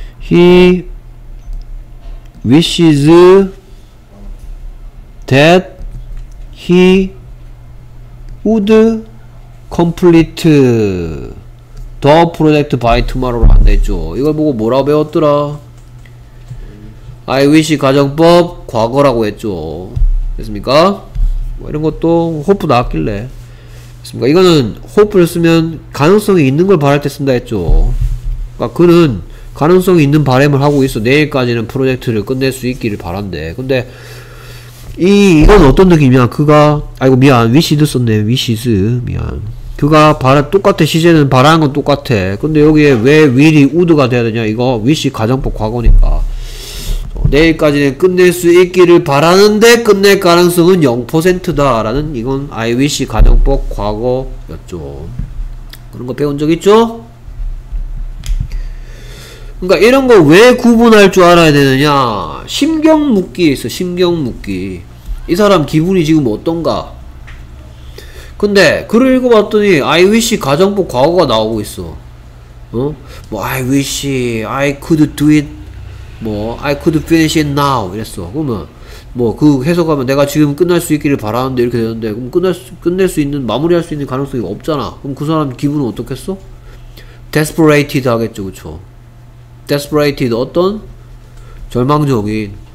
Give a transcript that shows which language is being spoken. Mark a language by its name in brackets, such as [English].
[English] He wishes that he would complete the project by tomorrow로 [Korean] 안 됐죠. 이걸 보고 뭐라 배웠더라? I wish 가정법 과거라고 했죠. 됐습니까? 뭐 이런 것도 hope 나왔길래. 됐습니까? 이거는 hope를 쓰면 가능성이 있는 걸 바랄 때 쓴다 했죠. 그러니까 그는 가능성이 있는 바람을 하고 있어. 내일까지는 프로젝트를 끝낼 수 있기를 바란대. 근데 이건 어떤 느낌이야? 그가 아이고 미안 wish도 썼네. wishes 미안. 그가 바라 똑같아. 시제는 바라는 건 똑같아. 근데 여기에 왜 will이 would가 돼야 되냐? 이거 wish 가정법 과거니까. 내일까지는 끝낼 수 있기를 바라는데 끝낼 가능성은 0%다 라는 이건 I wish 가정법 과거였죠. 그런 거 배운 적 있죠? 그러니까 이런 거 왜 구분할 줄 알아야 되느냐. 심경 묻기에 있어. 심경 묻기. 이 사람 기분이 지금 어떤가. 근데 글을 읽어봤더니 I wish 가정법 과거가 나오고 있어. [English] 뭐 I wish I could do it 뭐 I could finish it now [Korean] 이랬어. 그러면 뭐 그 해석하면 내가 지금 끝날 수 있기를 바라는데 이렇게 되는데, 그럼 끝낼 수 있는, 마무리할 수 있는 가능성이 없잖아. 그럼 그 사람 기분은 어떻겠어? Desperated 하겠죠. 그쵸? Desperated 어떤? 절망적인.